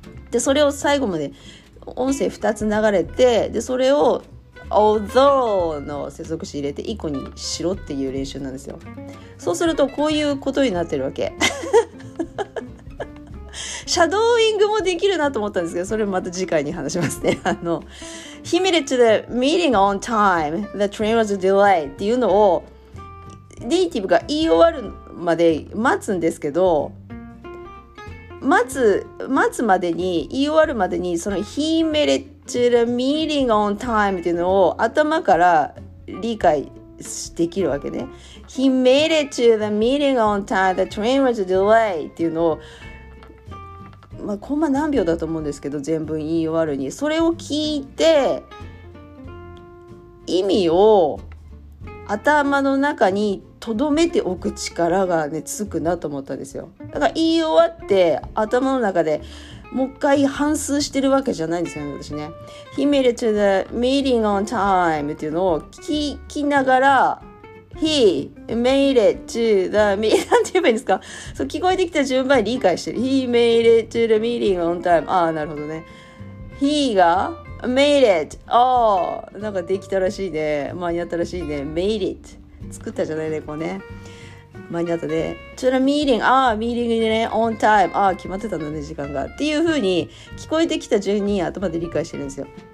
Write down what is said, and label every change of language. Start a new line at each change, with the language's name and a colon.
Japanese: でそれを最後まで音声2つ流れて、でそれを although の接続詞入れて1個にしろっていう練習なんですよ。そうするとこういうことになってるわけシャドーイングもできるなと思ったんですけど、それまた次回に話しますね。
English: He made it to the meeting on time. The train was delayed.
Japanese: っていうのをネイティブが言い終わるまで待つんですけど、待つまでに、言い終わるまでに、その
English: He made it to the meeting on time
Japanese: っていうのを頭から理解できるわけね。
English: He made it to the meeting on time. The train was delayed.
Japanese: っていうのを、まあ、コンマ何秒だと思うんですけど、全文言い終わるに、それを聞いて意味を頭の中に留めておく力がねつくなと思ったんですよ。だから言い終わって頭の中でもう一回反芻してるわけじゃないんですよね、私ね。
English: He made it to the meeting on time
Japanese: っていうのを聞きながら、
English: He made it to the meeting.
Japanese: なんて言えばいいんですか？そう、聞こえてきた順番に理解してる。
English: He made it to the meeting on time.
Japanese: ああ、なるほどね。
English: He
Japanese: が
English: made it.
Japanese: ああ、なんかできたらしいね。間に合ったらしいね。
English: Made it.
Japanese: 作ったじゃないね、こうね。間に合ったね。
English: To the meeting.
Japanese: ああ、meeting にね。
English: On time.
Japanese: ああ、決まってたんだね、時間が。っていう風に聞こえてきた順に頭で理解してるんですよ。